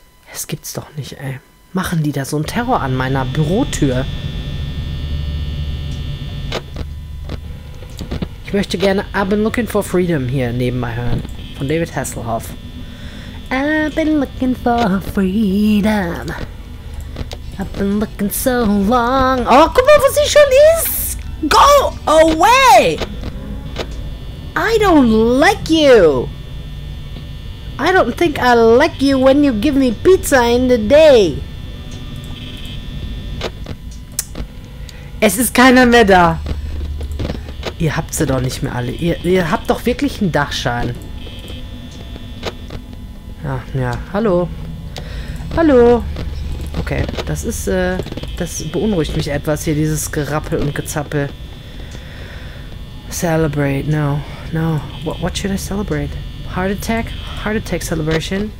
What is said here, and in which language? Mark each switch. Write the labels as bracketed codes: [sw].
[de] Das gibt's doch nicht, ey. Machen die da so einen Terror an meiner Bürotür? Ich möchte gerne I've Been Looking for Freedom hier nebenbei hören. Von David Hasselhoff. [en] I've been looking for freedom. I've been looking so long. [de] Oh, guck mal, wo sie schon ist. [en] Go away. I don't like you. I don't think I like you when you give me pizza in the day. [de] Es ist keiner mehr da. Ihr habt sie doch nicht mehr alle. Ihr habt doch wirklich einen Dachschaden. Ja, ja. Hallo. Hallo. Okay, das ist, das beunruhigt mich etwas hier, dieses Gerappel und Gezappel. [en] Celebrate. No. No. What should I celebrate? Heart attack? Heart attack celebration?